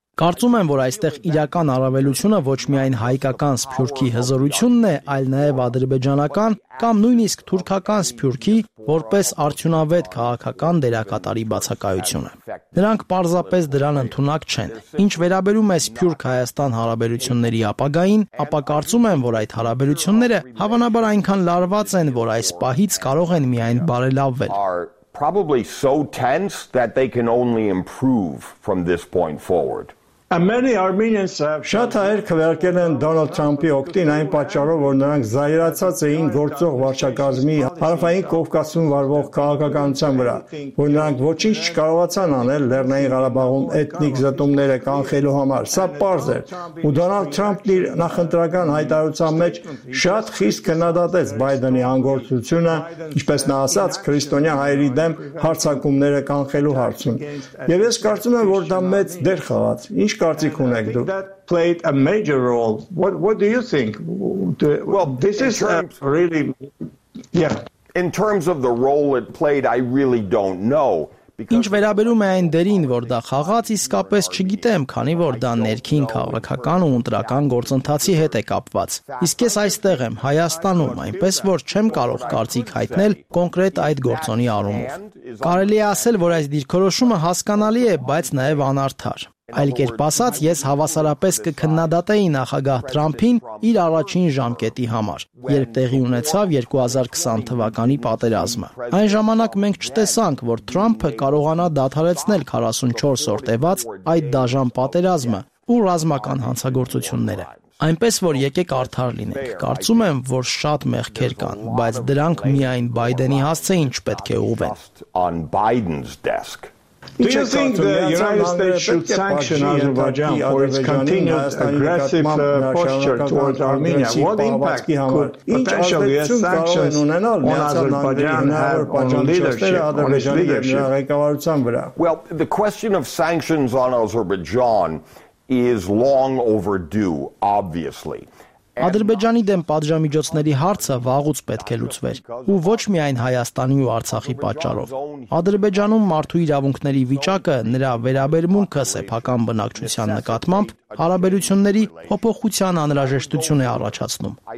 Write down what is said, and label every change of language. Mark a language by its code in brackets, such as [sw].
[hy] Կարծում եմ, որ այստեղ իրական առավելությունը ոչ միայն հայկական սփյուռքի հզորությունն է, այլ նաև ադրբեջանական կամ նույնիսկ թուրքական սփյուռքի որպես արդյունավետ քաղաքական դերակատարի բացակայությունը։ Նրանք պարզապես դրան ընդունակ չեն։ Ինչ վերաբերում է սփյուռք Հայաստան հարաբերությունների ապագային, ապա կարծում եմ, որ այդ հարաբերությունները հավանաբար այնքան լարված են, որ այս պահից կարող են միայն բարելավվել։ [en] Probably so tense that they can only improve from this point forward. And many Armenians have [hy] շատ հայեր քվեարկել են Դոնալդ Թրամփի օկտին այն պատճառով, որ նրանք զայրացած էին գործող վարչակազմի հարավային Կովկասում վարվող քաղաքականության վրա, որ նրանք ոչինչ չկարողացան անել Լեռնային Ղարաբաղում էթնիկ զտումները կանխելու համար։ Սա պարզ է, ու Դոնալդ Թրամփն իր նախընտրական հայտարարության մեջ շատ խիստ քննադատեց Բայդենի անգործությունը, ինչպես նա ասաց, քրիստոնյա հայերի դեմ հարձակումները կանխելու հարցում։ Եվ ես կարծում եմ, որ դա մեծ դեր խաղաց։ Ինչ կարծիք ունեք դուք? [en] That played a major role. What do you think? Well, this is really In terms of the role it played, I really don't know. [hy] Ինչ վերաբերում է այն դերին, որ դա խաղաց, իսկապես չգիտեմ, քանի որ դա ներքին քաղաքական ու ընտրական գործընթացի հետ է կապված։ Իսկ ես այստեղ եմ, Հայաստանում, այնպես որ չեմ կարող կարծիք հայտնել կոնկրետ այդ գործոնի առումով։ Կարելի է ասել, որ այս դիրքորոշումը հասկանալի է, բայց նաև անարդար։ Այլ կերպ ասած, ես հավասարապես կքննադատեի նախագահ Թրամփին իր առաջին ժամկետի համար, երբ տեղի ունեցավ 2020 թվականի պատերազմը։ Այն ժամանակ մենք չտեսանք, որ Թրամփը կարողանա դադարեցնել 44 օր տևած այդ դաժան պատերազմը ու ռազմական հանցագործությունները։ Այնպես որ եկեք արդար լինենք։ Կարծում եմ, որ շատ մեղքեր կան, բայց դրանք միայն Բայդենի հասցե ինչ պետք է ուղղեն։ [en] Do you think the United States should sanction Azerbaijan for its continued aggressive posture towards Armenia? What impact could potentially a sanction on Azerbaijan have on leadership? Well, the question of sanctions on Azerbaijan is long overdue, obviously. [hy] Ադրբեջանի դեմ պատժամիջոցների հարցը վաղուց պետք է լուծվեր, ու ոչ միայն Հայաստանի ու Արցախի պատճառով։ Ադրբեջանում մարդու իրավունքների վիճակը նրա վերաբերմունքը սեփական բնակչության նկատմամբ հարաբերությունների փոփոխության անհրաժեշտություն է առաջացնում։